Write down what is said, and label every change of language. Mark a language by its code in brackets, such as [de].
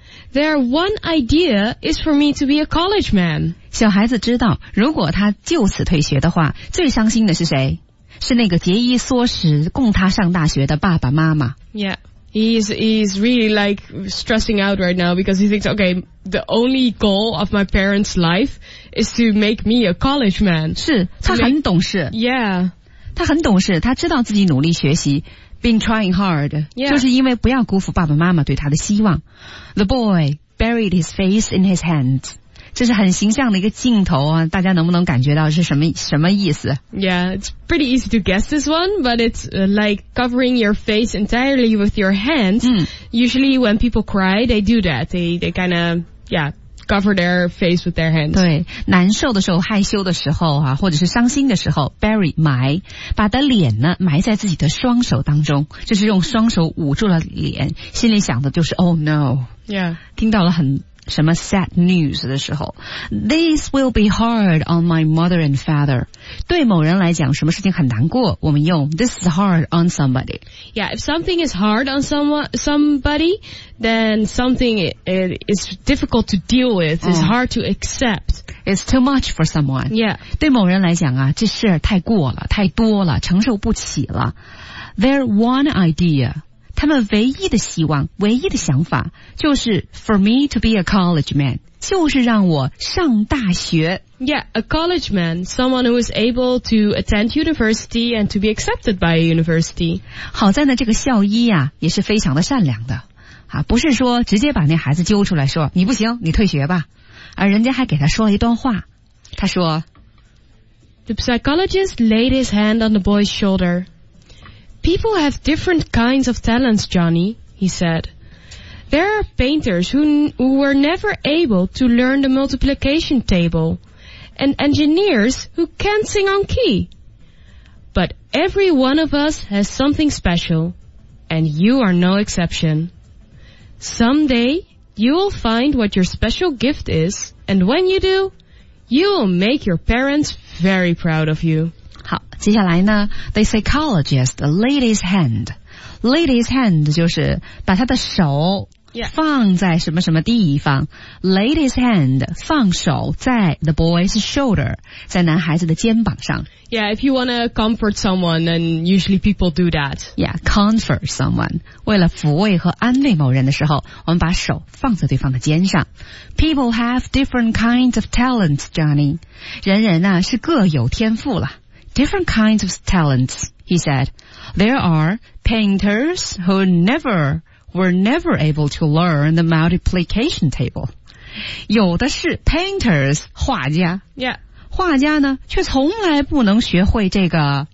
[en] Their one idea is for me to be a college man. [zh] 小孩子知道如果他就此退学的话最伤心的是谁？是那个节衣缩食供他上大学的爸爸妈妈。 [en] Yeah, he's really like stressing out right now because he thinks, okay, the only goal of my parents' life is to make me a college man. [zh] 是，他很懂事。 [en] Yeah. [zh] 他很懂事，他知道自己努力学习 , been trying hard,、 [en] yeah. [zh] 就是因为不要辜负爸爸妈妈对他的希望。 [en] The boy buried his face in his hands. [zh] 这是很形象的一个镜头啊，大家能不能感觉到是什么意思 [en] ？Yeah, it's pretty easy to guess this one, but it's like covering your face entirely with your hands.、 [zh] 嗯、 [en] Usually, when people cry, they do that. They kind of cover their face with their hands. [zh] 对，难受的时候、害羞的时候啊，或者是伤心的时候 ，bury 埋，把的脸呢埋在自己的双手当中，就是用双手捂住了脸，心里想的就是 Oh no! [en] Yeah, 听到了很。什么 sad news 的时候 This will be hard on my mother and father 对某人来讲什么事情很难过我们用 This is hard on somebody Yeah, if something is hard on somebody Then something is difficult to deal with It's hard to accept It's too much for someone Yeah [zh] 对某人来讲啊这事太过了太多了承受不起了 Their one idea 他们唯一的希望，唯一的想法，就是 for me to be a college man，就是让我上大学。 [en] Yeah, a college man, someone who is able to attend university and to be accepted by a university. [zh] 好在呢，这个校医啊，也是非常的善良的，啊，不是说直接把那孩子揪出来说，你不行，你退学吧，而人家还给他说了一段话，他说 [en] The psychologist laid his hand on the boy's shoulder. People have different kinds of talents, Johnny, he said. There are painters who were never able to learn the multiplication table, and engineers who can't sing on key. But every one of us has something special, and you are no exception. Someday, you'll find what your special gift is, and when you do, you'll make your parents very proud of you. 接下来呢 ,the psychologist laid his hand. [zh] Laid his hand 就是把他的手放在什么什么地方。 Laid his hand, 放手在 the boy's shoulder, 在男孩子的肩膀上。 [en] Yeah, if you want to comfort someone, then usually people do that. Yeah, comfort someone. [zh] 为了抚慰和安慰某人的时候，我们把手放在对方的肩上。 [en] People have different kinds of talents, Johnny. 人人啊是各有天赋了。 Different kinds of talents, he said. There are painters who were never able to learn the multiplication table. [zh] 有的是 painters, 画家。 [en] Yeah. [zh] 画家呢却从来不能学会这个